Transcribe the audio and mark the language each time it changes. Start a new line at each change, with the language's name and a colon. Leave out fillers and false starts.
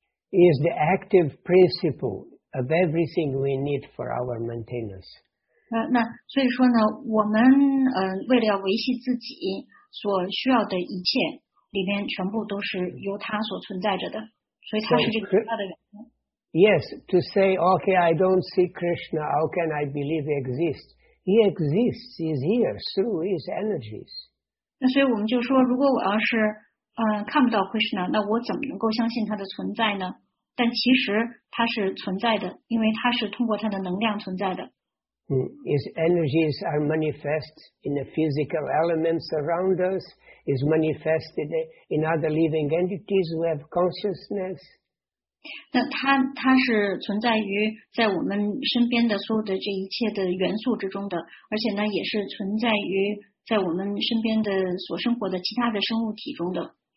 English: He is the active principle of everything we need for our maintenance.
Chinese: 那所以说呢，我们、为了要维系自己。所需要的一切里面全部都是由它所存在着的，所以它是这个主要的原因。
English: Yes, to say, okay, I don't see Krishna, how can I believe he exists? He exists, he's here through his energies.
Chinese: 那所以我们就说，如果我要是、看不到 Krishna, 那我怎么能够相信他的存在呢？但其实他是存在的，因为他是通过他的能量存在的。
English: His energies are manifest in the physical elements around us, is manifested in other living entities who have consciousness.
Chinese: 那它是存在于在我们身边的所有的这一切的元素之中的，而且呢也是存在于在我们身边的所生活的其他的生物体中的。